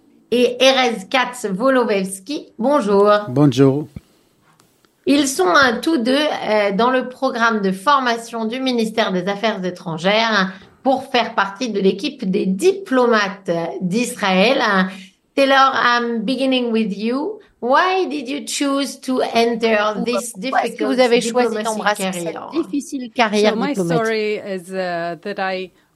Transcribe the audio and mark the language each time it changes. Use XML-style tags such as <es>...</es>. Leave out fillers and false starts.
<fr>Et Erez Katz-Wolowelski, bonjour. Bonjour. Ils sont tous deux dans le programme de formation du ministère des Affaires étrangères pour faire partie de l'équipe des diplomates d'Israël.</fr> <en>Taylor, I'm beginning with you. Why did you choose to enter this difficult</en> <fr>vous avez choisi d'embrasser cette difficile carrière diplomatique.</fr>